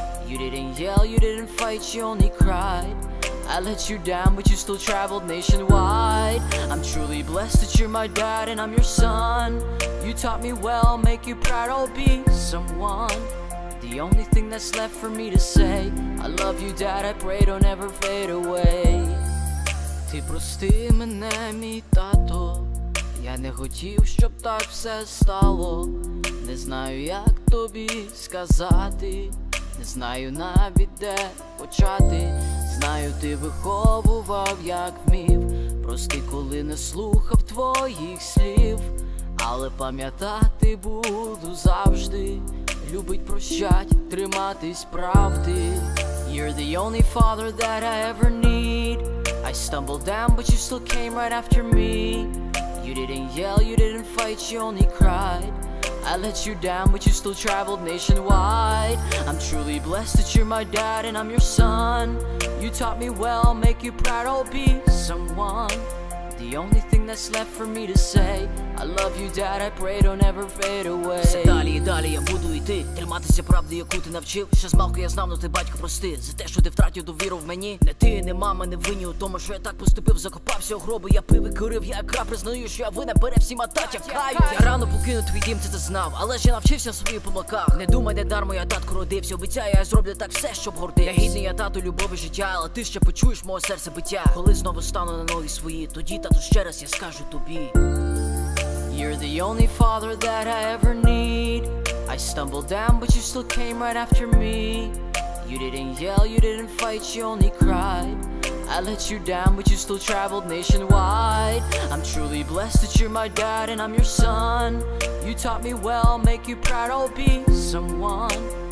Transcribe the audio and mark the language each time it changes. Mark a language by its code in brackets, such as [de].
[en] You didn't yell, you didn't fight, you only cried. I let you down, but you still traveled nationwide. I'm truly blessed that you're my dad and I'm your son. You taught me well, make you proud, I'll be someone. The only thing that's left for me to say, I love you, Dad, I pray don't ever fade away. [uk] Ти прости мене, мій тато. Я не хотів, щоб так все стало. Не знаю, як тобі сказати. Не знаю навіть, де почати. Знаю, ти виховував, як вмів. Прости, коли не слухав твоїх слів. Але пам'ятати буду завжди. Любить, прощать, триматись правди. [en] You're the only father that I ever need. I stumbled down, but you still came right after me. You didn't yell, you didn't fight, you only cried. I let you down, but you still traveled nationwide. I'm truly blessed that you're my dad and I'm your son. You taught me well, make you proud, I'll be someone. The only thing that's left for me to say, I love you, Dad, I pray don't ever fade away. [uk] Все далі і далі я буду йти, триматися правди, яку ти навчив. Ще з малку я знав, ну ти, батько, прости за те, що ти втратив довіру в мені. Не ти, не мама, не винні у тому, що я так поступив. Закопався у гроби, я пив і курив, я якраз признаю, що я винен перед всіма, тать, я каю. Я рано покину твій дім, ти це знав, але ж я навчився в своїх помилках. Не думай, не дармо я, татку, родився. Обіцяю, я зроблю так все, щоб гордитись. Я гідний, я тату, любов і життя, але ти ще почуєш моє серце биття. Коли знову стану на ноги свої, тоді, тату, ще раз я скажу тобі. [en] You're the only father that I ever need. I stumbled down, but you still came right after me. You didn't yell, you didn't fight, you only cried. I let you down, but you still traveled nationwide. I'm truly blessed that you're my dad and I'm your son. You taught me well, make you proud, I'll be someone.